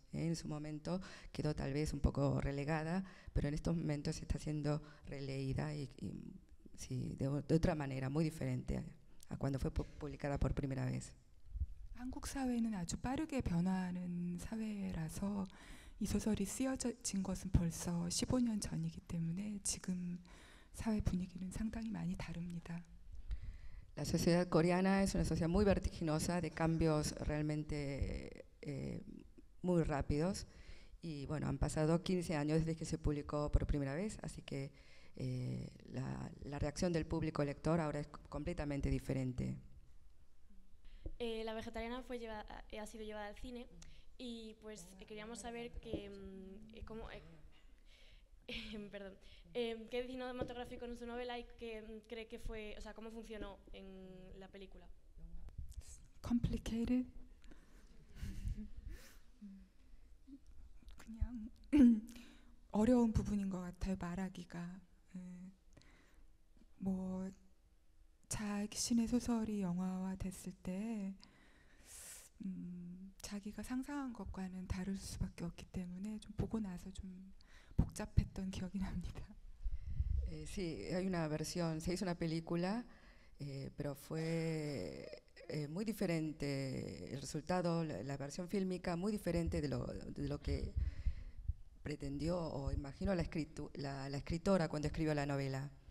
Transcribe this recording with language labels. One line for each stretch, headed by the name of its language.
Spanish: En su momento quedó tal vez un poco relegada, pero en estos momentos está siendo releída y de otra manera, muy diferente a cuando fue publicada por primera vez.
Korean: 한국 사회는 아주 빠르게 변화하는 사회라서 이 소설이 쓰여진 것은 벌써 15년 전이기 때문에 지금 사회 분위기는 상당히 많이 다릅니다.
Spanish: La sociedad coreana es una sociedad muy vertiginosa de cambios realmente muy rápidos y bueno, han pasado 15 años desde que se publicó por primera vez, así que la reacción del público lector ahora es completamente diferente. La vegetariana ha sido llevada al cine y pues queríamos saber que qué cinematográfico en su novela y qué cree que fue, o sea, cómo funcionó en la película.
English: Complicated.
Korean: 그냥 어려운 부분인 것 같아요 말하기가. 뭐 자신의 소설이 영화화 됐을 때. 자기가 상상한 것과는 다를 수밖에 없기 때문에 좀 보고 나서 좀 복잡했던 기억이 납니다.
Spanish: Sí, hay una versión, se hizo una película, pero fue muy diferente el resultado, la versión fílmica, muy diferente de lo que pretendió o imaginó la escritora cuando escribió la novela.